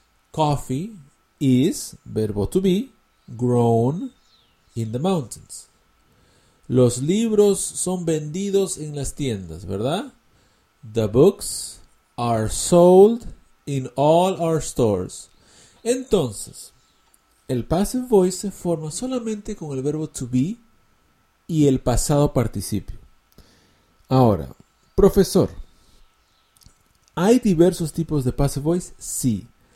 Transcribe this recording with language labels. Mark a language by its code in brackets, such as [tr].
[en] Coffee is, verbo to be, grown in the mountains. [es] Los libros son vendidos en las tiendas, ¿verdad? [en] The books are sold in all our stores. [es] Entonces, el passive voice se forma solamente con el verbo to be y el pasado participio. Ahora, profesor, ¿hay diversos tipos de passive voice? Sí.